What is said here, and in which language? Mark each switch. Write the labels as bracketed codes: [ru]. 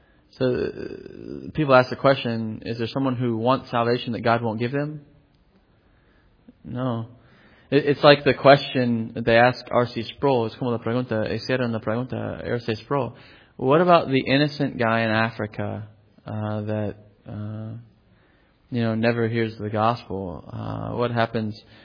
[en] So people ask the question: is there someone who wants salvation that God won't give them? No. It's like the question they ask R.C. Sproul. [es] Es como la pregunta, hicieron la pregunta a R.C. Sproul. [en] What about the innocent guy in Africa that never hears the gospel? What happens?